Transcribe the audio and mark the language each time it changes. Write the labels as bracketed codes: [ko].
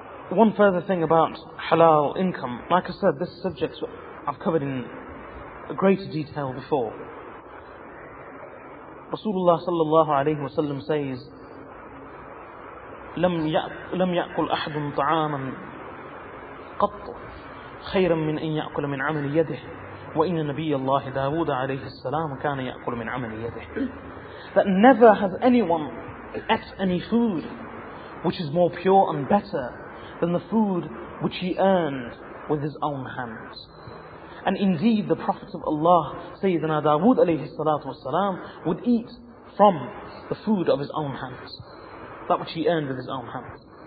[en] One further thing about halal income. Like I said, this subject I've covered in greater detail before. Rasulullah sallallahu alayhi wa sallam says, [ar] لم يأكل أحد طعاما قط خيرا من أن يأكل من عمل يده وإن نبي الله داود عليه السلام كان يأكل من عمل يده. [en] That never has anyone ate any food which is more pure and better than the food which he earned with his own hands. And indeed the Prophet of Allah, Sayyidina Dawood عليه الصلاة والسلام, would eat from the food of his own hands, that which he earned with his own hands.